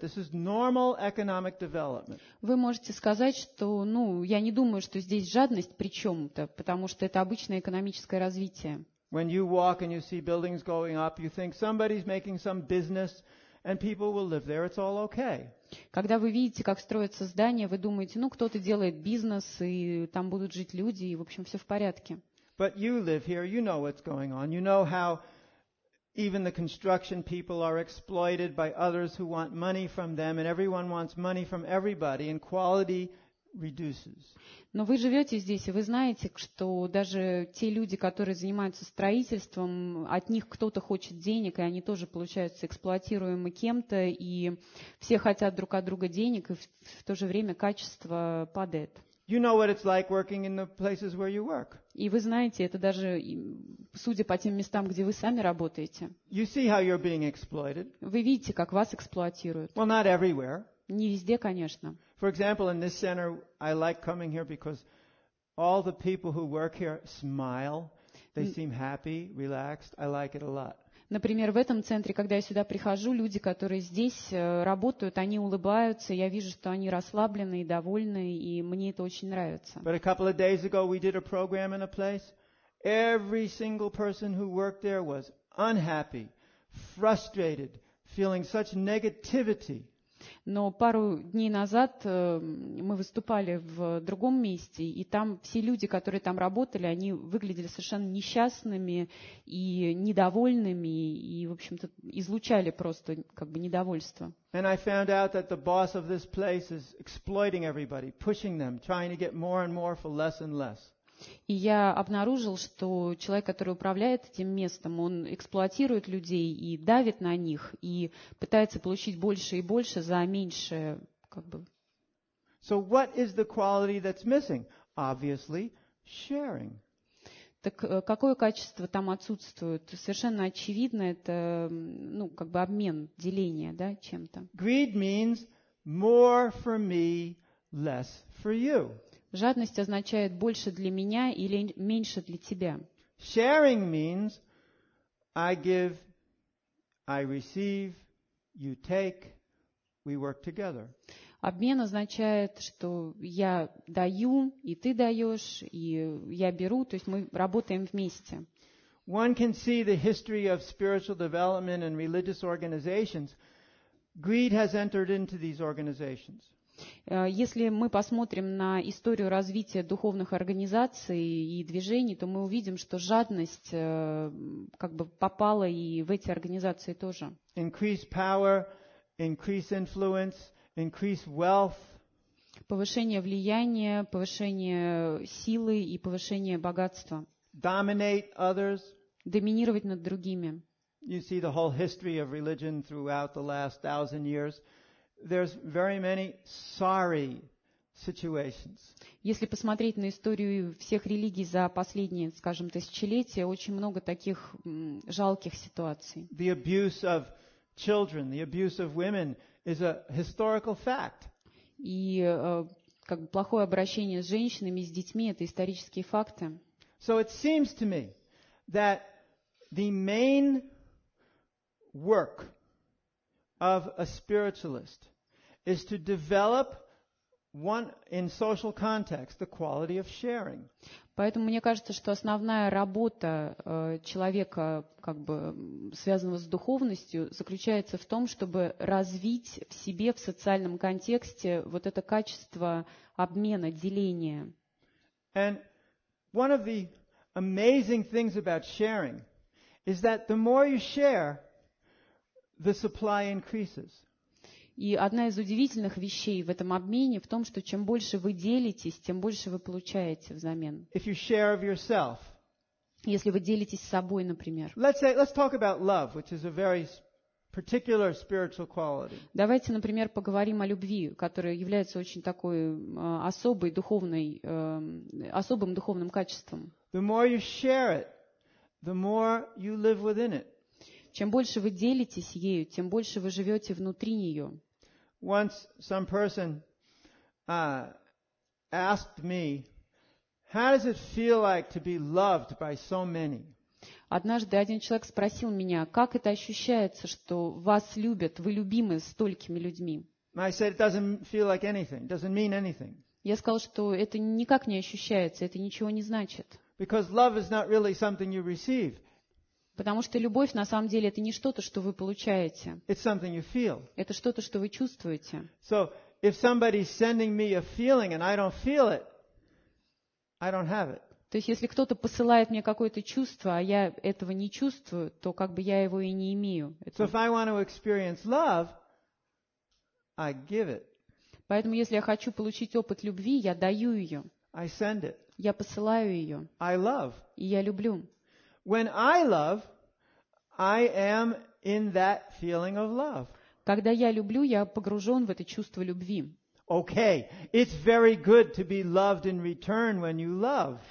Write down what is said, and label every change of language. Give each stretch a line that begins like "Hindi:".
English: This is normal economic development.
Russian: Вы можете сказать, что, ну, я не думаю, что здесь жадность при чем-то, потому что это обычное экономическое развитие.
English: When you walk and you see buildings going up, you think somebody's making some business, and people will live there. It's all okay.
Russian: Когда вы видите, как строятся здания, вы думаете, ну, кто-то делает бизнес и там будут жить люди и, в общем, все в порядке.
English: But you live here, you know what's going on. You know how even the construction people are exploited by others who want money from them, and everyone wants money from everybody, and quality reduces.
Russian: Но вы живете здесь, и вы знаете, что даже те люди, которые занимаются строительством, от них кто-то хочет денег, и они тоже, получается, эксплуатируемы кем-то, и все хотят друг от друга денег, и в то же время качество падает.
English: You know what it's like working in the places where you work.
Russian: И вы знаете, это даже судя по тем местам, где вы сами работаете.
English: You see how you're being exploited.
Russian: Вы видите, как вас эксплуатируют.
English: Well, not everywhere.
Russian: Не везде, конечно.
English: For example, in this center, I like coming here because all the people who work here smile. They seem happy, relaxed. I like it a lot.
Russian: Например, в этом центре, когда я сюда прихожу, люди, которые здесь работают, они улыбаются, я вижу, что они расслаблены и довольны, и мне это очень нравится.
English: But a couple of days ago we did a program in a place. Every single person who worked there was unhappy, frustrated, feeling such negativity.
Russian: Но пару дней назад мы выступали в другом месте, и там все люди, которые там работали, они выглядели совершенно несчастными и недовольными, и, в общем-то, излучали просто как бы недовольство.
English: And I found out that the boss of this place is exploiting everybody, pushing them, trying to get more and more for less and less.
Russian: И я обнаружил, что человек, который управляет этим местом, он эксплуатирует людей и давит на них, и пытается получить больше и больше за меньшее, как бы.
English: So what is the quality that's missing? Obviously, sharing.
Russian: Так какое качество там отсутствует? Совершенно очевидно, это, ну, как бы обмен, деление, да, чем-то.
English: Greed means more for me, less for you.
Russian: Жадность означает больше для меня или меньше для тебя.
English: Sharing means I give, I receive, you take, we work together.
Russian: Обмен означает, что я даю, и ты даешь, и я беру, то есть мы работаем вместе.
English: One can see the history of spiritual development and religious organizations. Greed has entered into these organizations.
Russian: Если мы посмотрим на историю развития духовных организаций и движений, то мы увидим, что жадность как бы попала и в эти организации тоже.
English: Increase power, increase influence, increase wealth.
Russian: Повышение влияния, повышение силы и повышение богатства.
English: Dominate others.
Russian: Доминировать над другими.
English: You see the whole history of religion throughout the last 1,000 years. There's very many sorry situations.
Russian: Если посмотреть на историю всех религий за последние, скажем, тысячелетия, очень много таких жалких ситуаций.
English: The abuse of children, the abuse of women is a historical fact.
Russian: И как бы плохое обращение с женщинами, с детьми это исторические факты.
English: So it seems to me that the main work of a spiritualist is to develop one in social context the quality of sharing.
Russian: Поэтому мне кажется, что основная работа человека, как бы связанного с духовностью, заключается в том, чтобы развить в себе в социальном контексте вот это качество обмена, деления.
English: And one of the amazing things about sharing is that the more you share, the supply increases.
Russian: И одна из удивительных вещей в этом обмене в том, что чем больше вы делитесь, тем больше вы получаете взамен.
English: If you share of yourself,
Russian: если вы делитесь собой, например.
English: Let's talk about love, which is a very particular spiritual quality.
Russian: Давайте, например, поговорим о любви, которая является очень такой особой духовной, особым духовным качеством.
English: The more you share it, the more you live within it.
Russian: Чем больше вы делитесь ею, тем больше вы живете внутри нее.
English: Once some person asked me, how does it feel like to be loved by so many?
Russian: Однажды один человек спросил меня, как это ощущается, что вас любят, вы любимы столькими людьми.
English: I said, it doesn't feel like anything, it doesn't mean anything.
Russian: Я сказал, что это никак не ощущается, это ничего не значит.
English: Because love is not really something you receive.
Russian: Потому что любовь на самом деле это не что-то, что вы получаете.
English: It's something you feel.
Russian: Это что-то, что вы чувствуете.
English: So if somebody's sending me a feeling and I don't feel it, I don't have it.
Russian: То есть, если кто-то посылает мне какое-то чувство, а я этого не чувствую, то как бы я его и не имею.
English: So if I want to experience love, I give it.
Russian: Поэтому, если я хочу получить опыт любви, я даю ее.
English: I send it.
Russian: Я посылаю ее.
English: I love.
Russian: И я люблю.
English: When I love, I am in that feeling of love.
Russian: Когда я люблю, я погружен в это чувство любви.
English: Okay, it's very good to be loved in return when you love.